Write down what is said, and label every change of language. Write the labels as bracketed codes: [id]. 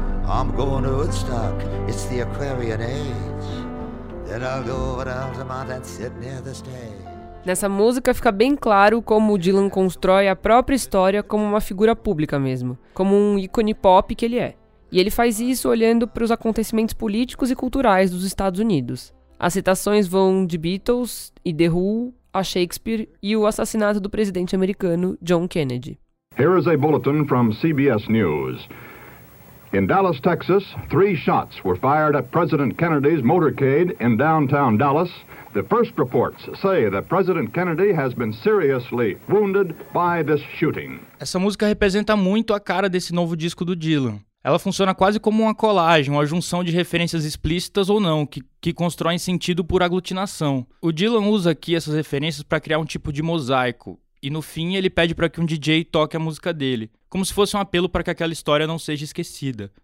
[en] I'm going to Woodstock, it's the Aquarian Age. Then I'll go over to Altamont and sit near the stage. [pt] Nessa música fica bem claro como o Dylan constrói a própria história como uma figura pública mesmo, como um ícone pop que ele é. E ele faz isso olhando para os acontecimentos políticos e culturais dos Estados Unidos. As citações vão de Beatles e The Who a Shakespeare e o assassinato do presidente americano John Kennedy. [en] Here is a bulletin from CBS News. In Dallas, Texas, three shots were fired at President Kennedy's motorcade in downtown Dallas. The first reports say that President Kennedy has been seriously wounded by this shooting. [pt] Essa música representa muito a cara desse novo disco do Dylan. Ela funciona quase como uma colagem, uma junção de referências explícitas ou não, que constroem sentido por aglutinação. O Dylan usa aqui essas referências para criar um tipo de mosaico. E no fim, ele pede para que um DJ toque a música dele, como se fosse um apelo para que aquela história não seja esquecida.